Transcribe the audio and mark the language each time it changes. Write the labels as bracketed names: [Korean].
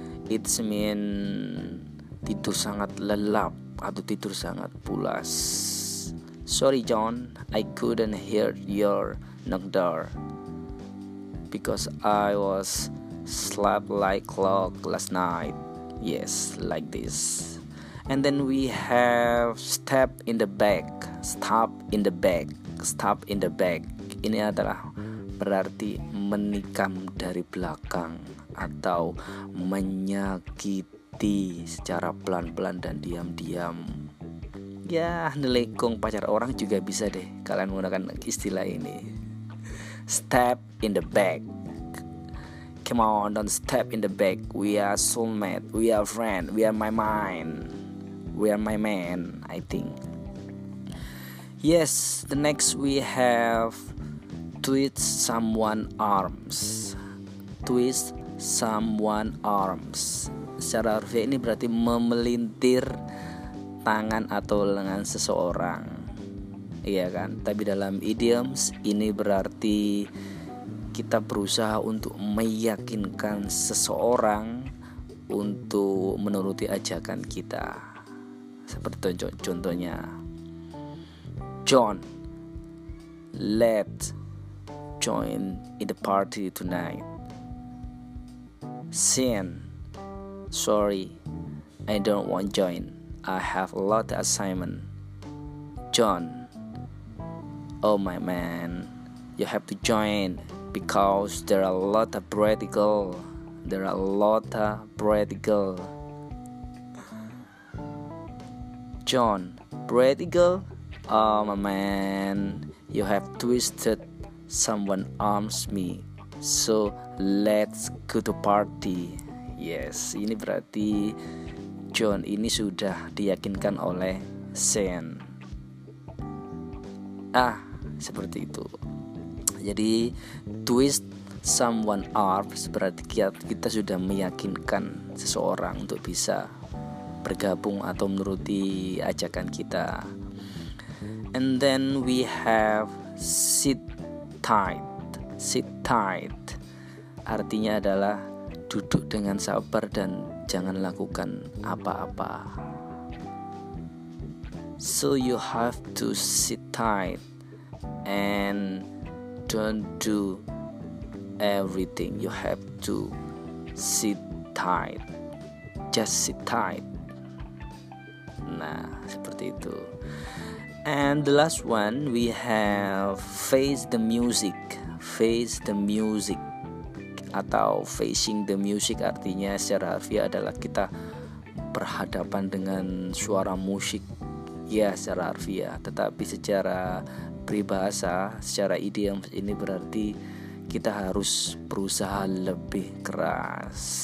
[Indonesian] It mean tidur sangat lelap atau tidur sangat pulas. [English] Sorry John, I couldn't hear your knock door because I was sleep like a log last night. Yes, like this. And then we have step in the back. Stop in the back. Stop in the back. [Indonesian] Ini adalah berarti menikam dari belakang atau menyakiti secara pelan-pelan dan diam-diam. Ya, nelekong pacar orang juga bisa deh kalian menggunakan istilah ini. [English] Step in the back. Come on, don't step in the back. We are soulmate. We are friend. We are my mind. We are my man, I think. Yes, the next we have twist someone arms. Twist someone arms. [Indonesian] Secara harfiah ini berarti memelintir tangan atau lengan seseorang. Iya kan? Tapi dalam idioms ini berarti kita berusaha untuk meyakinkan seseorang untuk menuruti ajakan kita. Seperti contohnya, [English] John, let's join in the party tonight. Sin, sorry, I don't want join. I have a lot of assignment. John, oh my man, you have to join because there are a lot of practical. There are a lot of practical. John, pretty girl? Oh my man, you have twisted someone arms me. So let's go to party. [Indonesian] Yes, ini berarti John ini sudah diyakinkan oleh Sen. Ah, seperti itu. Jadi [English] twist someone arms [Indonesian] berarti kita sudah meyakinkan seseorang untuk bisa bergabung atau menuruti ajakan kita. [English] And then we have sit tight. [Indonesian] Sit tight artinya adalah duduk dengan sabar dan jangan lakukan apa-apa. [English] So you have to sit tight and don't do everything. You have to sit tight. Just sit tight. [Indonesian] Nah, seperti itu. [English] And the last one, we have face the music. Face the music [Indonesian] atau [English] facing the music [Indonesian] artinya secara harfiah adalah kita berhadapan dengan suara musik. Ya, secara harfiah, tetapi secara peribahasa, secara idiom ini berarti kita harus berusaha lebih keras.